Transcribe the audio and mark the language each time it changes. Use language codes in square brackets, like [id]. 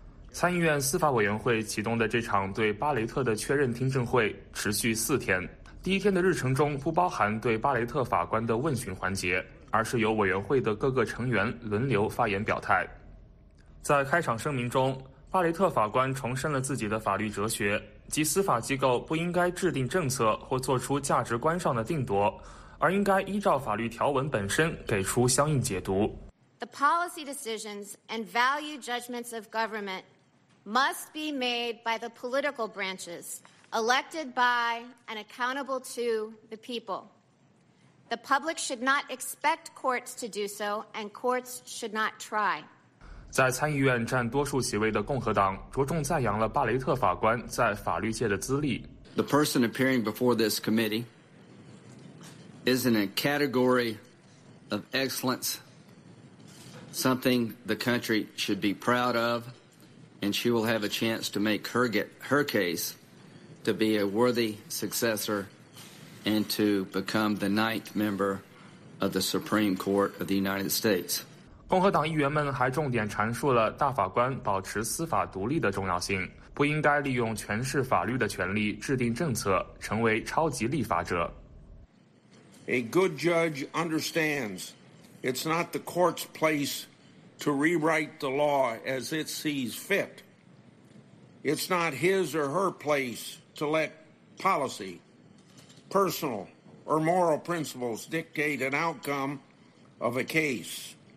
[zh] 参议院司法委员会启动的这场对巴雷特的确认听证会持续4天，第一天的日程中不包含对巴雷特法官的问询环节，而是由委员会的各个成员轮流发言表态。在开场声明中，巴雷特法官重申了自己的法律哲学，即司法机构不应该制定政策或做出价值观上的定夺，而应该依照法律条文本身给出相应解读。 [en] The policy decisions and value judgments of government must be made by the political branches, elected by and accountable to the people. The public should not expect courts to do so, and courts should not try. [zh] 在参议院占多数席位的共和党着重赞扬了巴雷特法官在法律界的资历。 [en] The person appearing before this committee is in a category of excellence, something the country should be proud of, and she will have a chance to make her case to be a worthy successor and to become the ninth member of the Supreme Court of the United States. [zh] 共和党议员们还重点阐述了大法官保持司法独立的重要性，不应该利用诠释法律的权利制定政策，成为超级立法者。 [en] A good judge understands it's not the court's place to rewrite the law as it sees fit. It's not his or her place to let policy, personal or moral principles dictate an outcome of a case.